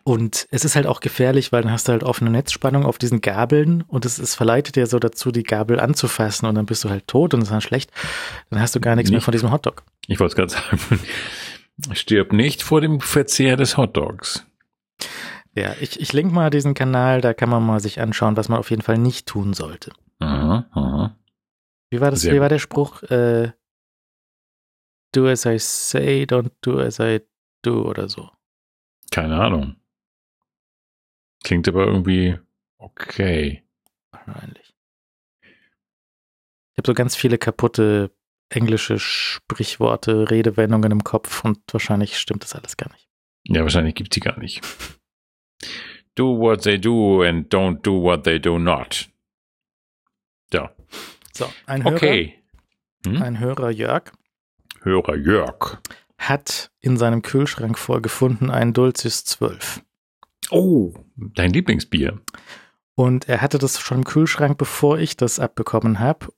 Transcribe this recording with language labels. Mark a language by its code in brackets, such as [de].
[de] Und es ist halt auch gefährlich, weil dann hast du halt offene Netzspannung auf diesen Gabeln und es verleitet ja so dazu, die Gabel anzufassen und dann bist du halt tot und es ist dann schlecht. Dann hast du gar nichts mehr von diesem Hotdog. Ich wollte es gerade sagen. Stirb nicht vor dem Verzehr des Hotdogs. Ja, ich link mal diesen Kanal, da kann man mal sich anschauen, was man auf jeden Fall nicht tun sollte. Aha. Wie war das? Wie war der Spruch? [en] Do as I say, don't do as I do [de] oder so. Keine Ahnung. Klingt aber irgendwie okay. Wahrscheinlich. Ich habe so ganz viele kaputte englische Sprichworte, Redewendungen im Kopf und wahrscheinlich stimmt das alles gar nicht. Ja, wahrscheinlich gibt's die gar nicht. [en] Do what they do and don't do what they do not. [de] Ja. So, ein Hörer, ein Hörer Jörg. Hörer Jörg. Hat in seinem Kühlschrank vorgefunden einen Dulcis 12. Oh, dein Lieblingsbier. Und er hatte das schon im Kühlschrank, bevor ich das abbekommen habe.